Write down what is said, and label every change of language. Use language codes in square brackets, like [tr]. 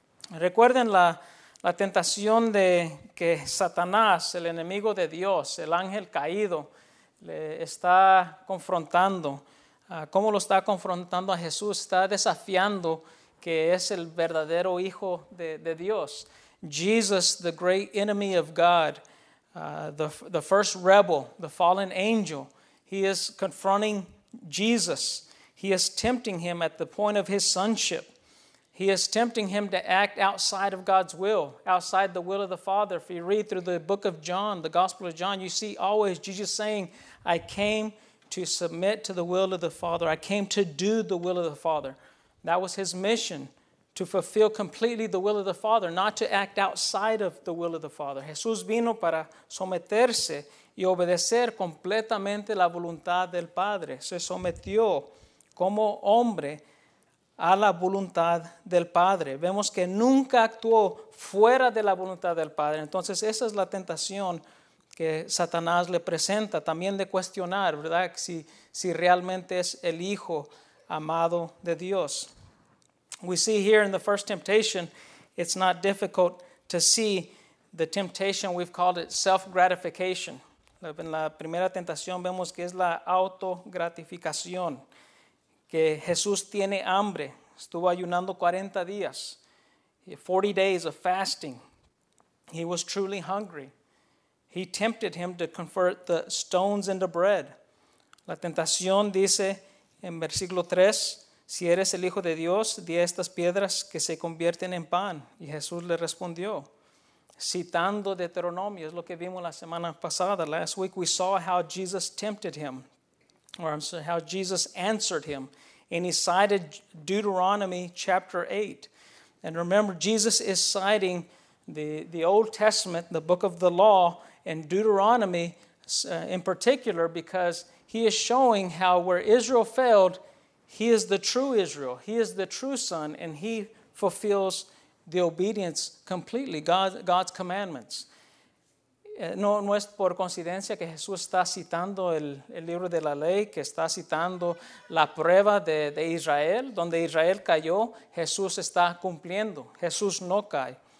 [es] Recuerden la tentación de que Satanás, el enemigo de Dios, el ángel caído, le está confrontando. ¿Cómo lo está confrontando a Jesús? Está desafiando que es el verdadero hijo de Dios. [en] Jesus, the great enemy of God, the first rebel, the fallen angel, he is confronting Jesus. He is tempting him at the point of his sonship. He is tempting him to act outside of God's will, outside the will of the Father. If you read through the book of John, the Gospel of John, you see always Jesus saying, I came to submit to the will of the Father. I came to do the will of the Father. That was his mission, to fulfill completely the will of the Father, not to act outside of the will of the Father. [es] Jesús vino para someterse y obedecer completamente la voluntad del Padre. Se sometió como hombre a la voluntad del Padre. Vemos que nunca actuó fuera de la voluntad del Padre. Entonces esa es la tentación que Satanás le presenta, también de cuestionar, ¿verdad?, si realmente es el Hijo amado de Dios. [en] We see here in the first temptation, it's not difficult to see the temptation. We've called it self-gratification. [es] En la primera tentación vemos que es la autogratificación, que Jesús tiene hambre. Estuvo ayunando 40 días, 40 days of fasting. [en] He was truly hungry. He tempted him to convert the stones into bread. [es] La tentación dice en versículo 3, si eres el Hijo de Dios, di a estas piedras que se convierten en pan. Y Jesús le respondió, citando Deuteronomio, es lo que vimos la semana pasada. [en] Last week we saw how Jesus tempted him, or I'm sorry, how Jesus answered him. And he cited Deuteronomy chapter 8. And remember, Jesus is citing the Old Testament, the book of the law, and Deuteronomy in particular, because he is showing how where Israel failed, he is the true Israel. He is the true son, and he fulfills the obedience completely, God's commandments. [es] No es por coincidencia que Jesús está citando el libro de la ley, que está citando la prueba de Israel. Donde Israel cayó, Jesús está cumpliendo. Jesús no cae.